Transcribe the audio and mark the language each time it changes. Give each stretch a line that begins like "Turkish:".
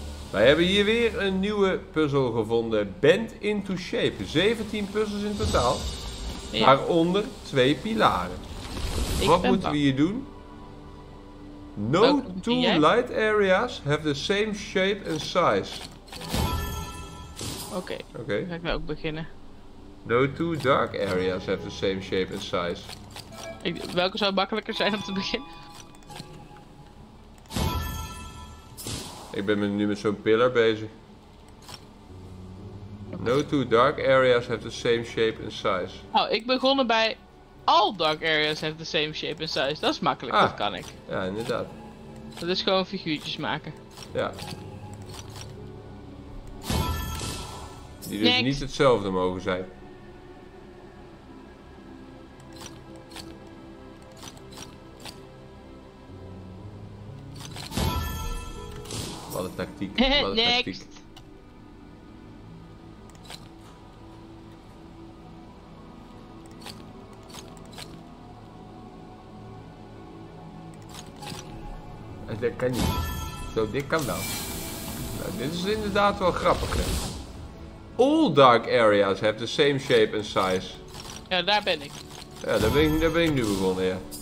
Dutch: Wij hebben hier weer een nieuwe puzzel gevonden.
English: Bent into shape.
Dutch: 17 puzzels in totaal. Ja. Waaronder twee pilaren. Wat moeten we hier doen?
English: No two light areas have the same shape and size.
Dutch: Oké. Dan ga ik ook beginnen.
English: No two dark areas have the same shape and size.
Dutch: Welke zou makkelijker zijn om te beginnen? Ik ben nu met zo'n pillar bezig.
English: No two dark areas have the same shape and size.
Dutch: Oh, ik begon bij
English: all dark areas have the same shape and size.
Dutch: Dat is makkelijk, dat kan ik. Ja, inderdaad. Dat is gewoon figuurtjes maken. Ja. Die dus niet hetzelfde mogen zijn. Wat een tactiek.
English: Next.
Dutch: Dat kan niet. Zo dik kan wel. Nou, dit is inderdaad wel grappig. Hè?
English: All dark areas have the same shape and size.
Dutch: Ja, daar ben ik. Ja, daar ben ik nu begonnen, ja.